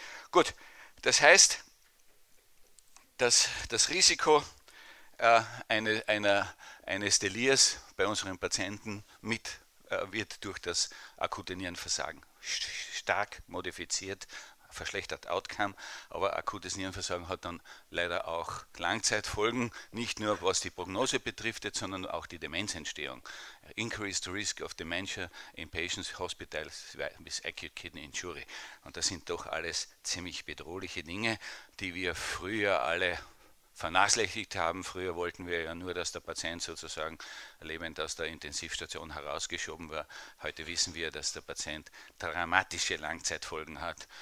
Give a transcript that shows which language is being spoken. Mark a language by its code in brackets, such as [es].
[de] Gut, das heißt, dass das Risiko eines Delirs bei unseren Patienten wird durch das akute Nierenversagen stark modifiziert, verschlechtert Outcome, aber akutes Nierenversagen hat dann leider auch Langzeitfolgen, nicht nur was die Prognose betrifft, sondern auch die Demenzentstehung. [en] Increased risk of dementia in patients hospitalized with acute kidney injury. [de] Und das sind doch alles ziemlich bedrohliche Dinge, die wir früher alle vernachlässigt haben. Früher wollten wir ja nur, dass der Patient sozusagen lebend aus der Intensivstation herausgeschoben war. Heute wissen wir, dass der Patient dramatische Langzeitfolgen hat.